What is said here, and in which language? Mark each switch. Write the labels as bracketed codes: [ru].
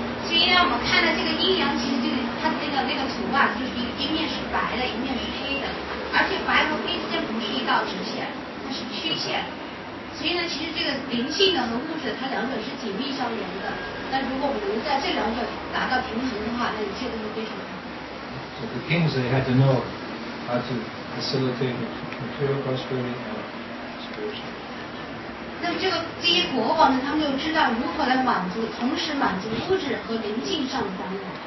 [zh] 所以呢，我们看到这个阴阳，其实就是它的那个图啊，就是一面是白的，一面是黑的，而且白和黑之间不是一道直线，它是曲线。所以呢，其实这个灵性的和物质，它两者是紧密相连的。那如果我们能在这两者达到平衡的话，那一切都是非常好。 [en] So the kings they had to know how to facilitate material prosperity and spiritual. [zh] 那么这些国王呢，他们就知道如何来满足，同时满足物质和灵性上的方法。